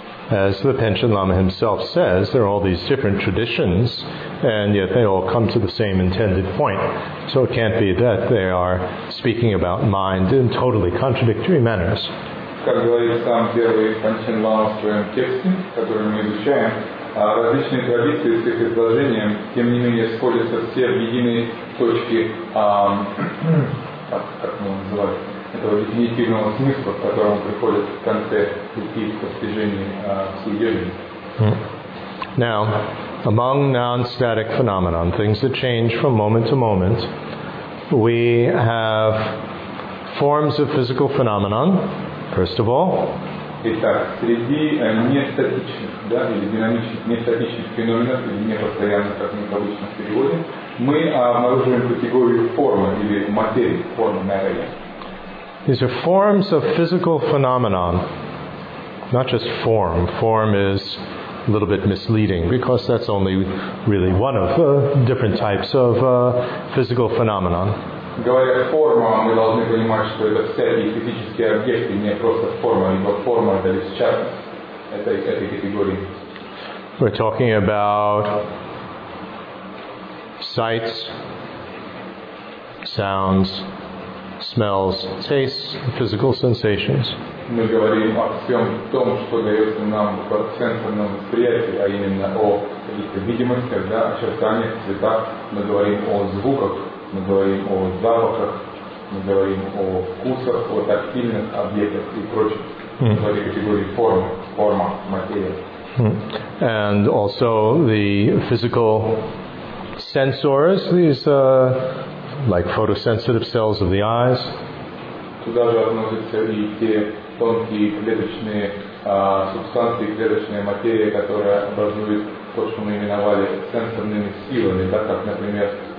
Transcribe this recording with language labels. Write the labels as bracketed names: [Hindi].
[English] As the Panchen Lama himself says, there are all these different traditions, and yet they all come to the same intended point. So it can't be that they are speaking about mind in totally contradictory manners. [Russian] Как говорит сам первый Панчен Лама в своем тексте, который мы изучаем, различные традиции с их изложением, тем не менее, сходятся все в единой точке, как мы его называем, этого дефинитивного смысла, к которому приходят в конце пути к постижению судьбы. [English] Now, among non-static phenomena, things that change from moment to moment, we have forms of physical phenomena, first of all. [Russian] Итак, среди нестатичных, да, или динамичных, нестатичных феноменов, или непостоянных, как мы обычно переводим, мы обнаруживаем категорию формы, или материи, формы, matter. [English] These are forms of physical phenomena, not just form. Form is a little bit misleading, because that's only really one of the different types of physical phenomena. [Russian] Говоря о формах, мы должны понимать, что это всякие физические объекты, не просто форма, либо форма, это лишь часть этой категории. [English] We're talking about sights, sounds, smells, tastes, physical sensations. [Russian] Мы говорим о всем том, что дается нам в сенсорном восприятии, а именно о каких-то видимостях, да, очертаниях, цветах. Мы говорим о звуках. Мы говорим о запахах, мы говорим о вкусах, о тактильных объектах и прочих. В этой категории форма, материя. [English] And also the physical sensors, these like photosensitive cells of the eyes. [Russian] Туда же относятся и те тонкие клеточные субстанции, клеточная материя, которая образует то, что мы именовали сенсорными силами, так как, например,